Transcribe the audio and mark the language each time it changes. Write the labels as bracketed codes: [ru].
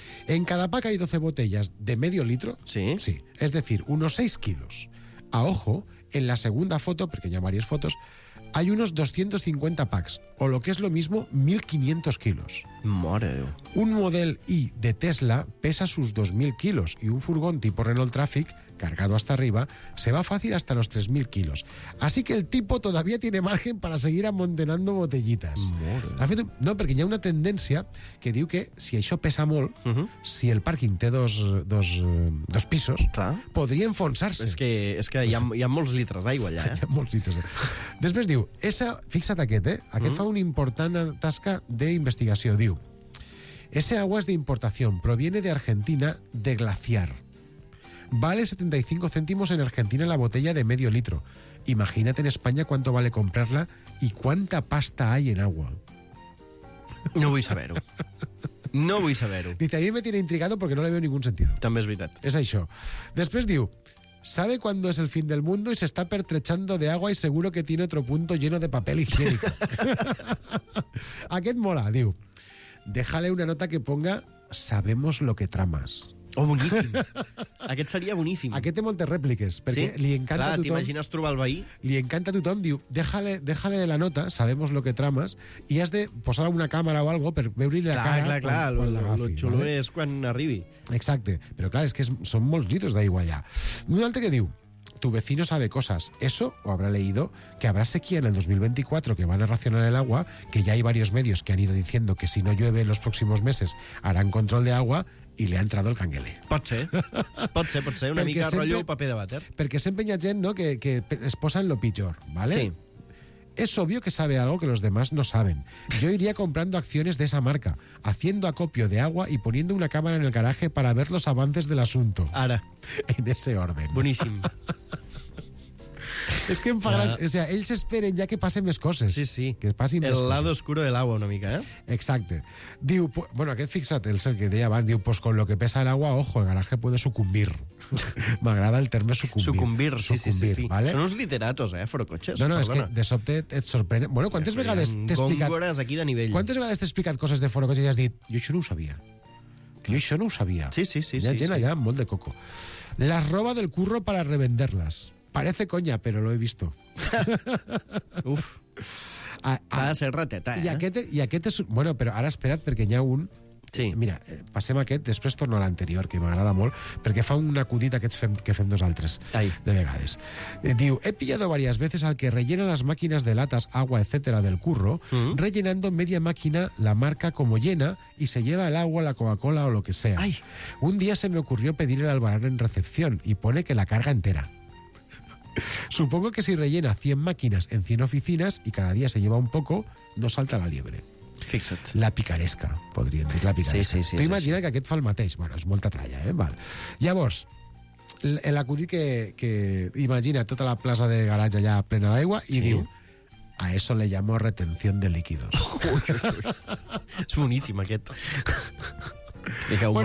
[es] En cada pack hay 12 botellas de medio litro. ¿Sí? Sí. Es decir, unos 6 kilos. A ojo, en la segunda foto, porque ya varias fotos, hay unos 250 packs, o lo que es lo mismo, 1.500 kilos. ¡Madre! Un Model I de Tesla pesa sus 2.000 kilos y un furgón tipo Renault Traffic, cargado hasta arriba, se va fácil hasta los 3.000 kilos. Así que el tipo todavía tiene margen para seguir amontonando botellitas. ¡Madre! [ca] No, [es] porque hay una tendencia que [ca] diu que si això pesa molt, si el pàrquing té dos pisos, podria enfonsar-se. És que hi ha molts litres d'aigua allà. Hi ha molts litres. Després diu, fixa't aquest, aquest fa una important tasca d'investigació. [es] Diu, ese agua es de importación, proviene de Argentina, de glaciar. Vale 75 céntimos en Argentina la botella de medio litro. Imagínate en España cuánto vale comprarla y cuánta pasta hay en agua. No voy a saber. No voy a saber. Dice, a mí me tiene intrigado porque no le veo ningún sentido. También es verdad. Es ahí show. Después digo, sabe cuándo es el fin del mundo y se está pertrechando de agua y seguro que tiene otro punto lleno de papel higiénico. ¿A qué mola? Digo, déjale una nota que ponga, sabemos lo que tramas. [ca] Oh, boníssim. Aquest seria boníssim. Aquest té moltes rèpliques, perquè sí? Li encanta clar, a tothom. T'imagines trobar el veí? Li encanta a tothom, diu, [es] déjale la nota, sabemos lo que trames, [ca] i has de posar una càmera o algo per veure-li la cara. Clar, el xulo, ¿vale? És quan arribi. Exacte, però clar, és que són molts litres d'aigua allà. Un altre que diu, [es] tu vecino sabe cosas, eso, o habrá leído, que habrá sequía en el 2024 que van a racionar el agua, que ya hay varios medios que han ido diciendo que si no llueve en los próximos meses harán control de agua, [ca] i li ha entrat el canguele. Pot ser, una perquè mica sempre, rotllo paper de vàter. Perquè sempre hi ha gent, no, que es posa en lo pitjor, ¿vale? Sí. [es] Es obvio que sabe algo que los demás no saben. Yo iría comprando acciones de esa marca, haciendo acopio de agua y poniendo una cámara en el garaje para ver los avances del asunto. [ca] Ara. [es] En ese orden. [ca] Boníssim. És que em fa gràcia. [es] O sea, [ca] ells esperen ja que passen més coses. Sí, sí. Que passin el més coses. [es] El lado oscuro de [ca] l'agua, una mica, eh? Exacte. Diu, bueno, aquest fixa't, és el que deia abans, diu, [es] pues con lo que pesa el agua, ojo, el garaje puede sucumbir. [ca] M'agrada el terme sucumbir. Sucumbir, sí, sucumbir, sí. ¿Vale? Són uns literatos, Forocotxes. No, és que de sobte et sorprèn. Bueno, quantes vegades t'he explicat... Góngores aquí de nivell. Quantes vegades t'he explicat coses de Forocotxes i has dit, jo això no ho sabia. Clar. Jo això no ho sabia. Sí, sí, sí. Hi ha sí, gent sí. Allà amb molt de coco. La roba del curro [es] para revenderlas. Parece coña, pero lo he visto. [ca] Uf. Ha de ser rateta, I aquest, és... Bueno, però ara espera't, perquè n'hi ha un... Sí. Mira, passem aquest, després torno a l'anterior, que m'agrada molt, perquè fa un acudit aquests que fem nosaltres. Ai. De vegades. [es] Diu, he pillado varias veces al que rellena las máquinas de latas, agua, etcétera, del curro, rellenando media máquina, la marca como llena, y se lleva el agua, la Coca-Cola o lo que sea. [ca] Ai. [es] Un día se me ocurrió pedir el albarán en recepción y pone que la carga entera. Supongo que si rellena 100 máquinas en 100 oficinas y cada día se lleva un poco, no salta la liebre. [ca] Fixa't. La picaresca, podríem dir, la picaresca. Sí, sí, sí. Tu imagina que aquest fa el mateix. Bueno, és molta tralla, eh? Val. Llavors, l'acudit que imagina tota la plaça de garatge allà plena d'aigua i sí. Diu, [es] a eso le llamo retención de líquidos. [ca] Ui, és boníssim, aquest. Fica humor